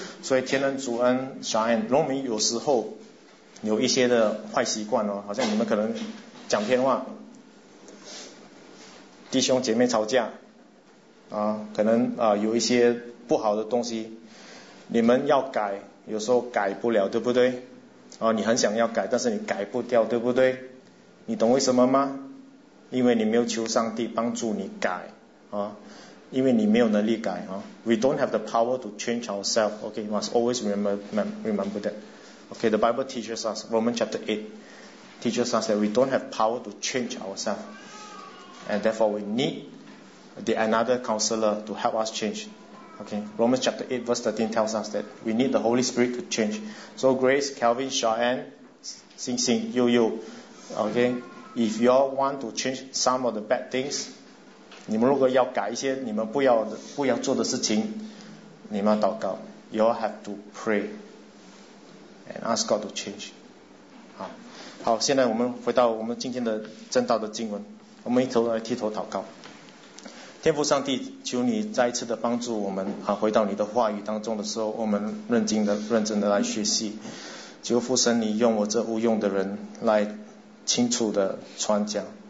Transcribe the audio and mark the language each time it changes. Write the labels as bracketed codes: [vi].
[zh] 所以天恩、主恩、小恩，如果我们有时候有一些的坏习惯哦，好像你们可能讲偏话，弟兄姐妹吵架啊，可能有一些不好的东西。你们要改，有时候改不了，对不对？你很想要改，但是你改不掉，对不对？你懂为什么吗？因为你没有求上帝帮助你改啊，因为你没有能力改啊。 [en] We don't have the power to change ourselves. Okay, you must always remember that. Okay, the Bible teaches us, Romans chapter 8 teaches us that we don't have power to change ourselves, and therefore we need the another counselor to help us change. Okay, Romans chapter 8 verse 13 tells us that we need the Holy Spirit to change. So Grace, Calvin, Sean, Sing Sing, Yu Yu, okay, if you all want to change some of the bad things, [zh] 你们如果要改一些你们不要做的事情，你们要祷告。 [en] You all have to pray and ask God to change. [zh] 好，现在我们回到我们今天的正道的经文，我们一头来剃头祷告。天父上帝，求你再一次的帮助我们啊，回到你的话语当中的时候，我们认真的来学习。求父神，你用我这无用的人来清楚的传讲。